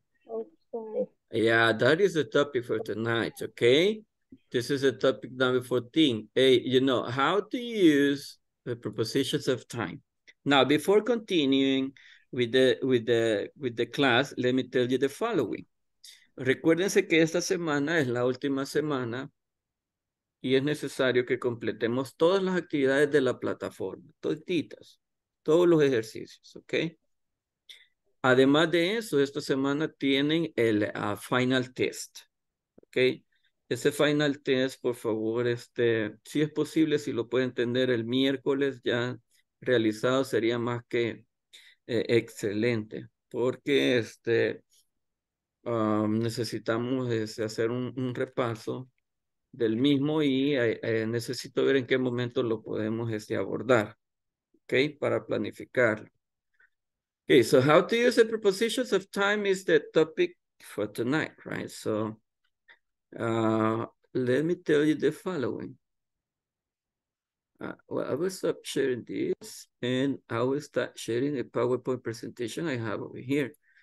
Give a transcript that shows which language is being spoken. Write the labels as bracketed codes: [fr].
[en] Okay. Yeah, that is the topic for tonight, okay? This is a topic number 14. Hey, you know, how to use the prepositions of time. Now, before continuing with the class, let me tell you the following. [es] Recuérdense que esta semana es la última semana y es necesario que completemos todas las actividades de la plataforma, toditas, todos los ejercicios, okay? Además de eso, esta semana tienen el final test, ¿ok? Ese final test, por favor, si es posible, si lo pueden tener el miércoles ya realizado, sería más que excelente, porque necesitamos hacer un repaso del mismo y necesito ver en qué momento lo podemos abordar, ¿ok? Para planificarlo. [en] Okay, so how to use the prepositions of time is the topic for tonight, right? So let me tell you the following. Well, I will stop sharing this and I will start sharing a PowerPoint presentation I have over here.